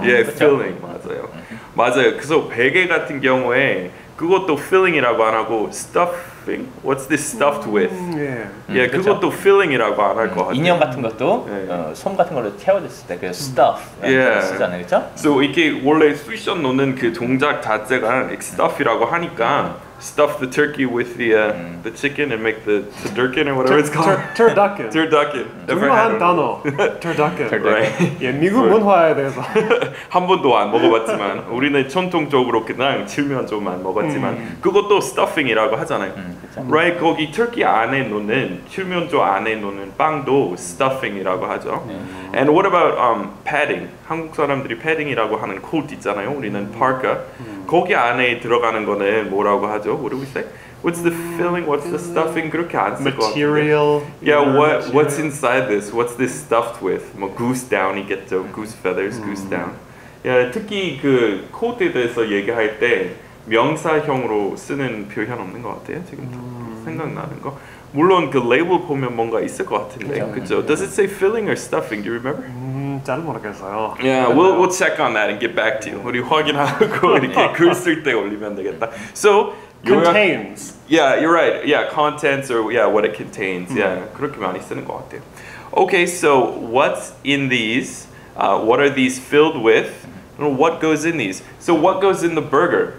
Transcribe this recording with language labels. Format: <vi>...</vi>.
<ko>Yeah, filling 맞아요. 맞아요. 그래서 베개 같은 경우에 그것도 filling이라고 안 하고 stuffing.</ko> <en>What's this stuffed with? Yeah,</en> <ko>그것도 filling이라고 안 할 것 같아요. 인형 같은 것도 솜 같은 걸로 채워졌을 때 그 stuff 쓰잖아요, 그렇죠? So 이게 원래 쑤셔 놓는 그 동작 자체가 stuff이라고 하니까.</ko> <en>Stuff the turkey with the chicken and make the turducken or whatever it's called. Turducken. Turducken.</en> <ko>중요한 단어. Turducken.</ko> <en>Right.</en> <ko>예, 미국 문화에 대해서. 한 번도 안 먹어봤지만 우리는 전통적으로 그냥 칠면조만 먹었지만 그것도 stuffing이라고 하잖아요. Right. 거기 turkey 안에 놓는 칠면조 안에 놓는 빵도 stuffing이라고 하죠.</ko> <en>And what about padding?</en> <ko>한국 사람들이 패딩이라고 하는 코트 있잖아요. 우리는 파카. 거기 안에 들어가는 거는 뭐라고 하죠?</ko> <en>What do we say? What's the filling? What's the stuffing?</en> <ko>그렇게 안 쓸 것 같은데.</ko> <en>Material. Yeah, what's inside this? What's this stuffed with? 뭐 goose down 있겠죠. Goose feathers, goose down.</en> <ko>Yeah, 특히 그 코트에 대해서 얘기할 때 명사형으로 쓰는 표현 없는 것 같아요. 지금 생각나는 거. 물론 그 레이블 보면 뭔가 있을 것 같은데. 그렇죠?</ko> <en>Does it say filling or stuffing? Do you remember?</en> <ko>잘 모르겠어요.</ko> <en>Yeah, we'll check on that and get back to you.</en> <ko>우리 확인하고 이렇게 글 쓸 때 올리면 되겠다.</ko> <en>So contains. Yeah, you're right. Yeah, contents or yeah, what it contains. Yeah,</en> <ko>그렇게 많이 쓰는 것 같아요.</ko> <en>Okay, so what's in these? What are these filled with? What goes in these? So what goes in the burger?</en>